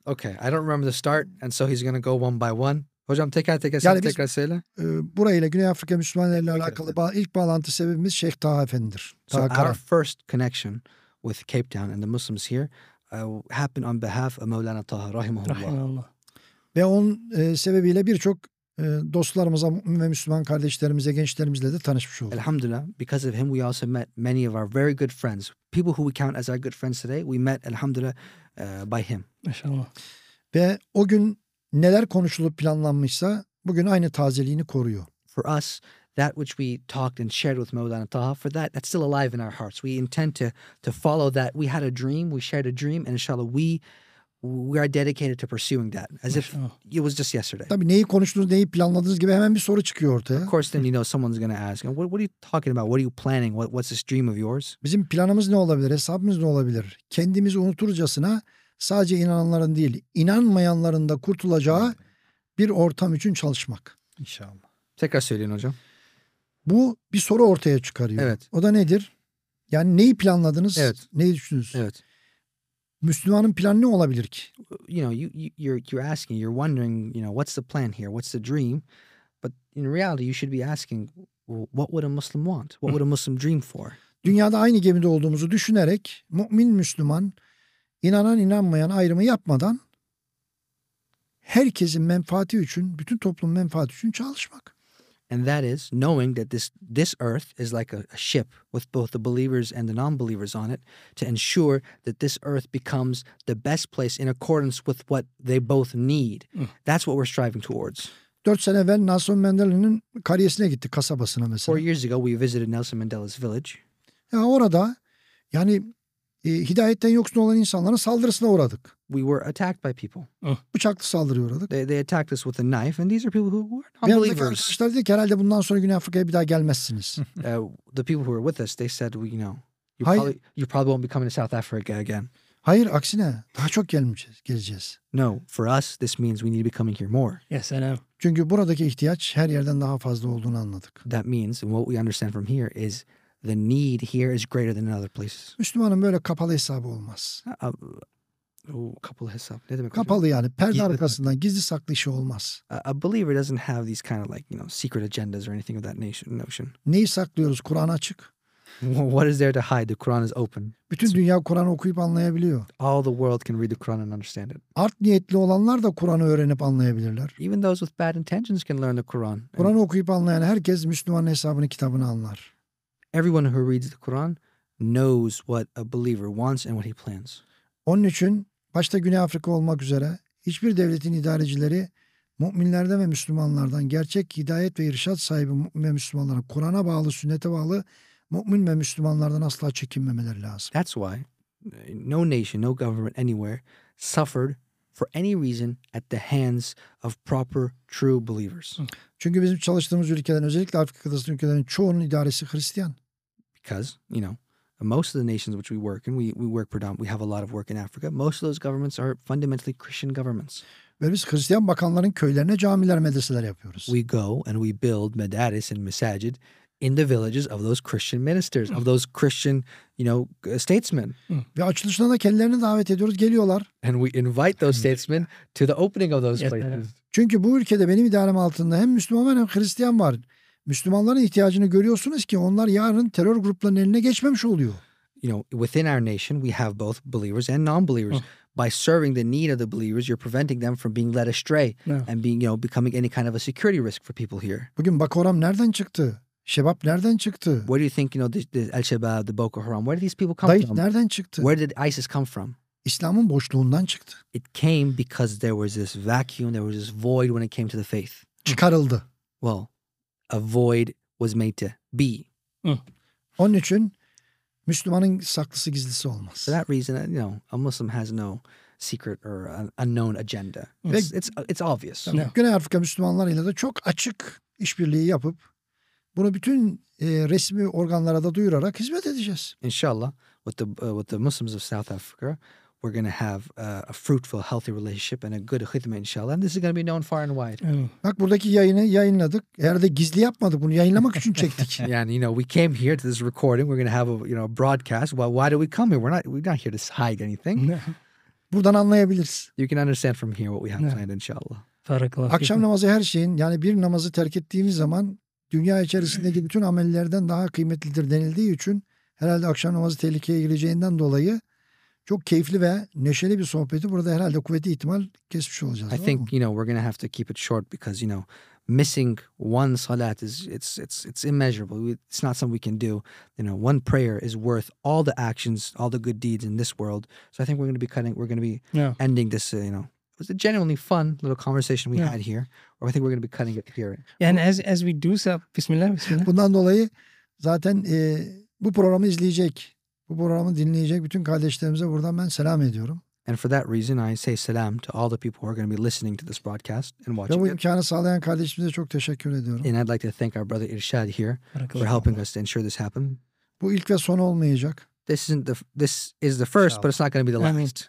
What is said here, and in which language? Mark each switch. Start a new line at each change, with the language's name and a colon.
English: Okay, I don't remember the start and so he's going to go one by one.
Turkish: Hocam teker teker yani sen tekrar söyle. Burayla Güney Afrika Müslümanlarıyla alakalı ilk bağlantı sebebimiz Şeyh Taha Efendi'dir. Taha so Karan.
English: Our first connection with Cape Town and the Muslims here happened on behalf of Mevlana Taha rahimahullah.
Turkish: Ve onun sebebiyle birçok dostlarımıza ve Müslüman kardeşlerimize, gençlerimizle de tanışmış olduk.
English: Elhamdülillah, because of him we also met many of our very good friends. People who we count as our good friends today, we met elhamdülillah by him.
Turkish: Maşallah. Ve o gün neler konuşulup planlanmışsa bugün aynı tazeliğini koruyor.
English: For us, that which we talked and shared with Mevlana Taha, for that, that's still alive in our hearts. We intend to follow that. We had a dream, we shared a dream, and inshallah we are dedicated to pursuing that as if it was just yesterday.
Turkish: Tabii neyi konuştunuz, neyi planladınız gibi hemen bir soru çıkıyor ortaya.
English: Of course then you know someone's going to ask, what are you talking about? What are you planning? What's this dream of yours?
Turkish: Bizim planımız ne olabilir? Hesabımız ne olabilir? Kendimizi unuturcasına sadece inananların değil, inanmayanların da kurtulacağı bir ortam için çalışmak. İnşallah. Tekrar söyleyin hocam. Bu bir soru ortaya çıkarıyor. Evet. O da nedir? Yani neyi planladınız? Evet. Neyi düşündünüz? Evet. Müslümanın planı ne olabilir ki?
English: You know, you're asking, you're wondering, you know, what's the plan here? What's the dream? But in reality, you should be asking, what would a Muslim want? What would a Muslim dream for?
Turkish: Dünyada aynı gemide olduğumuzu düşünerek, mümin Müslüman, inanan inanmayan ayrımı yapmadan, herkesin menfaati için, bütün toplumun menfaati için çalışmak.
English: And that is knowing that this earth is like a ship with both the believers and the non-believers on it to ensure that this earth becomes the best place in accordance with what they both need. That's what we're striving towards.
Turkish: 4 sene evvel Nelson Mandela'nın kariyesine gitti, kasabasına mesela.
English: 4 years ago we visited Nelson Mandela's village.
Turkish: Ya orada yani hidayetten yoksun olan insanların saldırısına uğradık.
English: We were attacked by people.
Turkish: Bıçaklı saldırıya uğradık.
English: They attacked us with a knife and these are people who were unbelievers.
Turkish: Arkadaşlar dedi ki herhalde bundan sonra Güney Afrika'ya bir daha gelmezsiniz.
English: The people who were with us, they said, you know, you probably won't be coming to South Africa again.
Turkish: Hayır, aksine daha çok geleceğiz.
English: No, for us this means we need to be coming here more. Yes, I know.
Turkish: Çünkü buradaki ihtiyaç her yerden daha fazla olduğunu anladık.
English: That means, and what we understand from here is the need here is greater than in other places.
Turkish: Müslümanın böyle kapalı hesabı olmaz. Kapalı hesap. Ne demek? Kapalı yani. Perde arkasından gizli saklı işi olmaz.
English: A believer doesn't have these kind of like, you know, secret agendas or anything of that notion.
Turkish: Neyi saklıyoruz? Kur'an açık.
English: What is there to hide? The Quran is open.
Turkish: Bütün dünya Kur'an'ı okuyup anlayabiliyor.
English: All the world can read the Quran and understand it.
Turkish: Art niyetli olanlar da Kur'an'ı öğrenip anlayabilirler.
English: Even those with bad intentions can learn the Quran.
Turkish: Kur'an'ı okuyup anlayan herkes Müslüman hesabını kitabını anlar.
English: Everyone who reads the Quran knows what a believer wants and what he plans.
Turkish: Onun için başta Güney Afrika olmak üzere hiçbir devletin idarecileri müminlerden ve Müslümanlardan gerçek hidayet ve irşat sahibi mümin ve Müslümanlara Kur'an'a bağlı, sünnete bağlı mümin ve Müslümanlardan asla çekinmemeleri lazım.
English: That's why no nation, no government anywhere suffered for any reason at the hands of proper true believers.
Turkish: Çünkü bizim çalıştığımız ülkeden özellikle Afrika kıtası ülkelerinin çoğunun idaresi Hristiyan.
English: Because, you know, most of the nations which we work in, we work predominantly, we have a lot of work in Africa. Most of those governments are fundamentally Christian governments.
Turkish: Ve biz Hristiyan bakanların köylerine camiler, medreseler yapıyoruz.
English: We go and we build medaris and mesajid in the villages of those Christian ministers, of those Christian, you know, statesmen.
Turkish: Ve açılışına da kendilerini davet ediyoruz, geliyorlar.
English: And we invite those statesmen to the opening of those places.
Turkish: Çünkü bu ülkede benim idarem altında hem Müslüman var hem Hristiyan var. Müslümanların ihtiyacını görüyorsunuz ki onlar yarın terör gruplarının eline geçmemiş oluyor.
English: You know, within our nation we have both believers and non-believers. By serving the need of the believers, you're preventing them from being led astray and being, you know, becoming any kind of a security risk for people here.
Turkish: Bugün Bakoram nereden çıktı? Şebap nereden çıktı?
English: Where do you think, you know, the Al-Shabaab, the Boko Haram, where did these people come Daesh from?
Turkish: Nereden çıktı?
English: Where did ISIS come from?
Turkish: İslam'ın boşluğundan çıktı.
English: It came because there was this vacuum, there was this void when it came to the faith.
Turkish: Çıkarıldı.
English: Well, a void was made to be. Onun için Müslümanın saklısı gizlisi olmaz. For that reason, you know, a Muslim has no secret or unknown agenda. It's obvious.
Turkish: Yani, Güney Afrika Müslümanlarıyla da çok açık işbirliği yapıp bunu bütün resmi organlara da duyurarak hizmet edeceğiz.
English: İnşallah with the Muslims of South Africa, we're going to have a fruitful, healthy relationship and a good hizmet inshallah. And this is going to be known far and wide.
Turkish: Bak buradaki yayını yayınladık. Eğer de gizli yapmadık, bunu yayınlamak için çektik.
English: Yani, you know, we came here to this recording. We're going to have a, you know, broadcast. Well, why do we come here? We're not here to hide anything.
Turkish: Buradan anlayabiliriz.
English: You can understand from here what we have planned inshallah.
Turkish: Farklı. Akşam namazı her şeyin, yani bir namazı terk ettiğimiz zaman dünya içerisindeki bütün amellerden daha kıymetlidir denildiği için herhalde akşam namazı tehlikeye gireceğinden dolayı çok keyifli ve neşeli bir sohbeti burada herhalde kuvveti ihtimal kesmiş olacağız.
English: I think, you know, we're going to have to keep it short because, you know, missing one salat is it's immeasurable. It's not something we can do. You know, one prayer is worth all the actions, all the good deeds in this world. So I think we're going to be ending this, you know. It was a genuinely fun little conversation we had here. Or I think we're going to be cutting it here. Yeah, and as we do so, bismillah.
Turkish: Bundan dolayı zaten bu programı izleyecek, bu programı dinleyecek bütün kardeşlerimize buradan ben selam ediyorum.
English: And for that reason, I say salam to all the people who are going to be listening to this broadcast and watching it.
Turkish: Ve bu imkanı sağlayan kardeşimize çok teşekkür ediyorum.
English: And I'd like to thank our brother Irshad here for helping us to ensure this happened.
Turkish: Bu ilk ve son olmayacak.
English: This is the first, but it's not going to be the last.